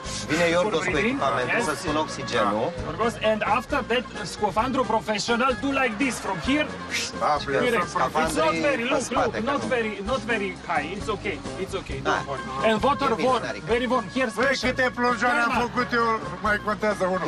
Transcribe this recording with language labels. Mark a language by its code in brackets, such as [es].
[ro] Vine Yorgos cu echipamentul să spun oxigenul. [en] Yorgos, and after that, scafandru professional, do like this from here. It's not very, look, look, not very, not very high. It's okay, it's okay. Don't worry. And water warm, very warm. Here, special. [ro] Băi, câte plonjoane am făcut eu, mai contează unul.